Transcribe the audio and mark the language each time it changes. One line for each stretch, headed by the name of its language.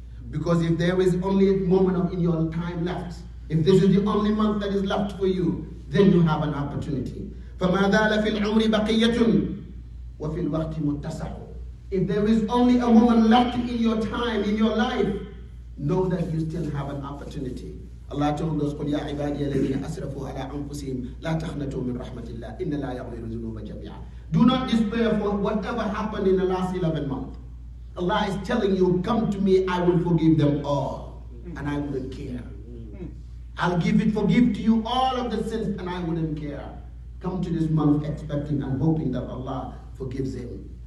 English: Because if there is only a moment in your time left, if this is the only month that is left for you, then you have an opportunity.
Arabic: فَمَا ذَالَ فِي الْعُمْرِ بَقِيَّةٌ وَفِي الْوَقْتِ مُتَّسَعُ.
English: If there is only a woman left in your time, in your life, know that you still have an opportunity. Allah told us,
Arabic: قُلْ يَا عِبَادِيَ الَّذِينَ أَسْرَفُوا عَلَىٰ أَنفُسِهِمْ لَا تَخْنَتُوا مِنْ رَحْمَةِ اللَّهِ إِنَّ لَا يَغْفِرُ ذُنُوبَ جَمِيعًا.
English: Do not despair for whatever happened in the last 11 months. Allah is telling you, come to me, I will forgive them all, and I will care. I'll forgive to you all of the sins and I wouldn't care. Come to this month expecting and hoping that Allah forgives him.